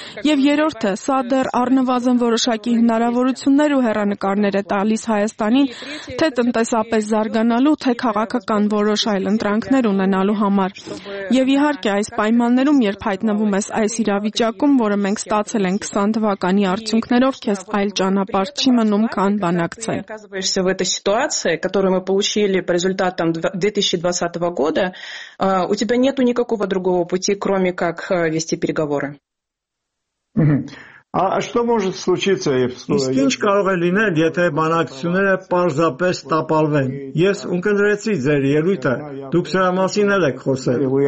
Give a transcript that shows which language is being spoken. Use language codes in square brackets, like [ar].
[hy] Եվ երրորդը, սա դեռ առնվազն որոշակի հնարավորություններ ու հեռանկարներ է տալիս Հայաստանին, թե տնտեսապես զարգանալու, թե քաղաքական որոշ այլ ընտրանքներ ունենալու համար։ Եվ իհարկե, այս պայմաններում, երբ հայտնվում ես այս իրավիճակում, որը մենք ստացել ենք 20 թվականի արդյունքներով, քեզ այլ ճանապարհ [ru] Ты оказываешься в этой ситуации, которую мы получили по результатам 2020 года, у тебя нет никакого другого пути, кроме как вести переговоры. [hy] Իսկ ինչ կարող է լինել, եթե բանակցությունները պարզապես տապալվեն։ Ես ունկնդրեցի ձեր ելույթը, դուք սրա մասին էլ եք խոսել։